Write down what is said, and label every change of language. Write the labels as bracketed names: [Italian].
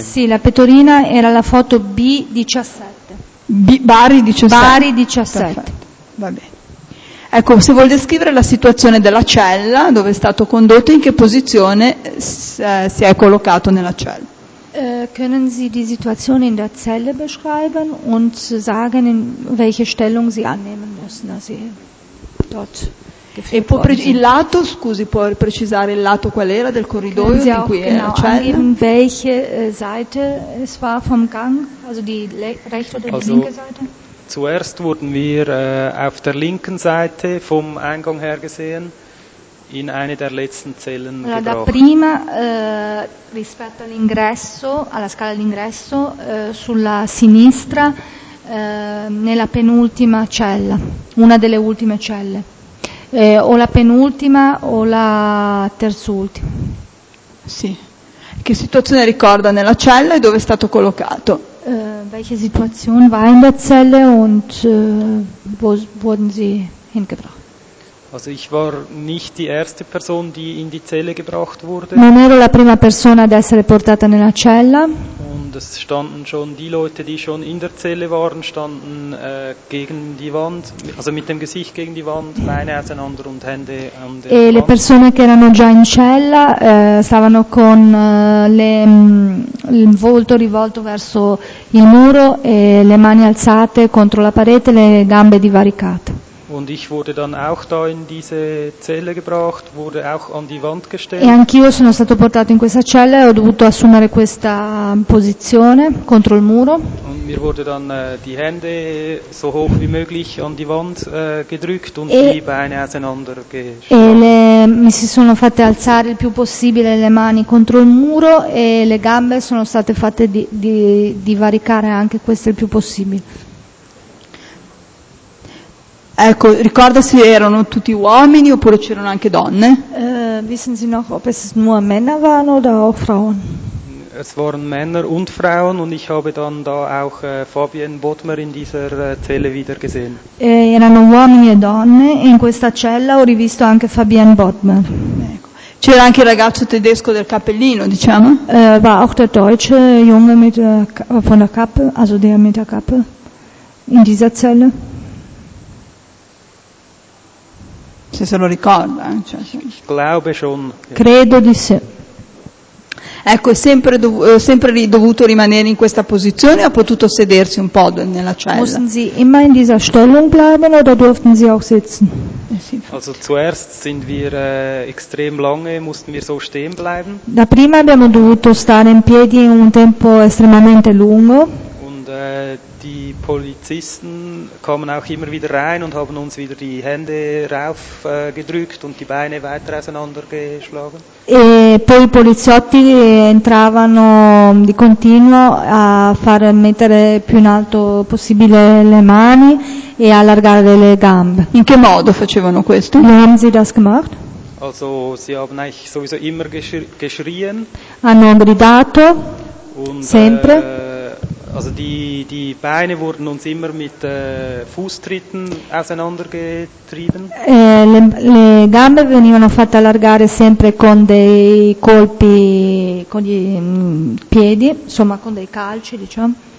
[Italian] Sì, la pettorina era la foto B17. Bari 17. Bari 17. Va bene. Ecco, se vuol descrivere la situazione della cella, dove è stato condotto, in che posizione si è collocato nella cella? [German] Können Sie die Situation in der Zelle beschreiben und sagen, in welche Stellung Sie annehmen müssen, dass Sie dort geführt sind? [Italian] Può precisare il lato qual era del corridoio di cui era la cella? [German] Können Sie angeben, welche Seite es war vom Gang, also die rechte oder also die linke Seite? Zuerst wurden wir auf der linken Seite vom Eingang her gesehen. in eine der letzten Zellen gebrochen. [Italian] Da prima rispetto all'ingresso, alla scala d'ingresso, sulla sinistra, nella penultima cella, una delle ultime celle, o la penultima o la terzultima. Sì. Che situazione ricorda nella cella e dove è stato collocato? [German] Welche Situation war in der Zelle und wo wurden Sie hingebracht? Also ich war nicht die erste Person, die in die Zelle gebracht wurde. [Italian] Non ero la prima persona ad essere portata nella cella. [German] Und es standen schon die Leute, die schon in der Zelle waren, standen gegen die Wand, also mit dem Gesicht gegen die Wand, Beine auseinander und Hände an der [Italian] E [German] Wand. [Italian] Le persone che erano già in cella stavano con il volto rivolto verso il muro e le mani alzate contro la parete, le gambe divaricate. [German] Und ich wurde dann auch da in diese Zelle gebracht, wurde auch an die Wand gestellt. [Italian] E anch'io sono stato portato in questa cella e ho dovuto assumere questa posizione contro il muro. [German] Und mir wurde dann die Hände so hoch wie möglich an die Wand gedrückt und die Beine auseinander gestellt. [Italian] E mi si sono fatte alzare il più possibile le mani contro il muro e le gambe sono state fatte divaricare anche queste il più possibile. Ecco, ricorda se erano tutti uomini oppure c'erano anche donne? [German] Wissen Sie noch, ob es nur Männer waren oder auch Frauen? Es waren Männer und Frauen und ich habe dann da auch Fabienne Bodmer in dieser Zelle wieder gesehen. [Italian] Erano uomini e donne e in questa cella ho rivisto anche Fabienne Bodmer. Ecco. C'era anche il ragazzo tedesco del cappellino, diciamo? [German] War auch der deutsche Junge mit von der Kappe, also der mit der Kappe in dieser Zelle. [Italian] Se se lo ricorda, cioè, [German] schon, [Italian] credo di sì. Ecco, è sempre dovuto rimanere in questa posizione o ha potuto sedersi un po' nella cella? [German] Mussten Sie immer in dieser Stellung bleiben oder durften Sie auch sitzen? Also zuerst sind wir extrem lange, mussten wir so stehen bleiben. [Italian] Da prima abbiamo dovuto stare in piedi un tempo estremamente lungo. [German] Die Polizisten kommen auch immer wieder rein und haben uns wieder die Hände rauf gedrückt und die Beine weiter auseinander geschlagen. [Italian] E poi i poliziotti entravano di continuo a far mettere più in alto possibile le mani e allargare le gambe. In che modo facevano questo? [German] Wie haben sie das gemacht? Also sie haben eigentlich sowieso immer geschrien. [Italian] Hanno gridato sempre. [German] Also die Beine wurden uns immer mit Fußtritten auseinandergetrieben. [Italian] Le gambe venivano fatte allargare sempre con dei colpi, con i piedi, insomma con dei calci, diciamo.